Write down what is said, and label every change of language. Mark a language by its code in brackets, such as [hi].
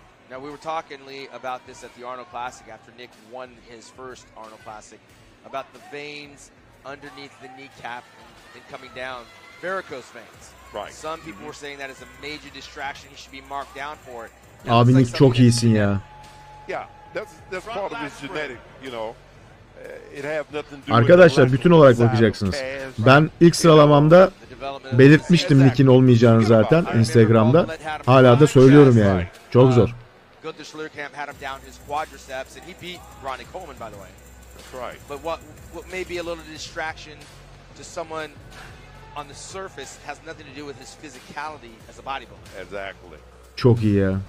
[en] Now we were talking, Lee, about this at the Arnold Classic after Nick won his first Arnold Classic, about the veins underneath the kneecap and coming down, varicose veins. Right. Some people were saying that is a major distraction. He should be marked down for it. [tr] Now, abi Nick like çok iyisin ya. [en] Yeah, that's front part of his genetic, you know. It have nothing to do. [tr] Arkadaşlar bütün olarak bakacaksınız. Ben ilk sıralamamda belirtmiştim Nick'in olmayacağını zaten Instagram'da. Hala da söylüyorum yani. Çok zor. [en] Goodlisler camp had him down his quadriceps and he beat Ronnie Coleman, by the way. That's right. But what may be a little distraction to someone on the surface has nothing to do with his physicality as a bodybuilder. Exactly. [tr] Çok iyi ya.